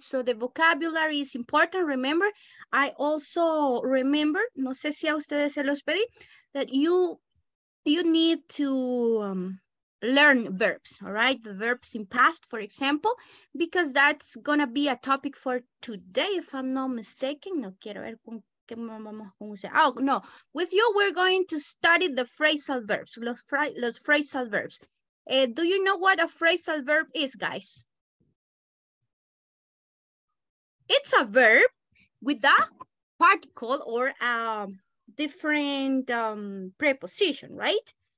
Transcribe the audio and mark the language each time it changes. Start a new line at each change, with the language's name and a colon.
English: So the vocabulary is important. Remember, I also remember,
Spanish: no sé si a ustedes se los pedí,
English: that you need to... learn verbs, all right? The verbs in past, for example, because that's gonna be a topic for today, if I'm not mistaken.
Spanish: No quiero ver con qué vamos a usar.
English: Oh, no. With you, we're going to study the phrasal verbs, los phrasal verbs. Do you know what a phrasal verb is, guys? It's a verb with a particle or a different preposition, right?